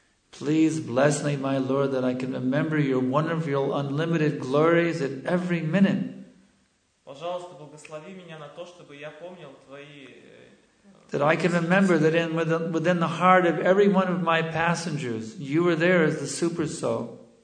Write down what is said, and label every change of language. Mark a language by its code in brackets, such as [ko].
[en] Please bless me, my Lord, that I can remember your wonderful, unlimited glories at every minute. [ru] Пожалуйста, благослови меня на то, чтобы я помнил твои [en] That I can remember that in within the heart of every one of my passengers, you were there as the super soul.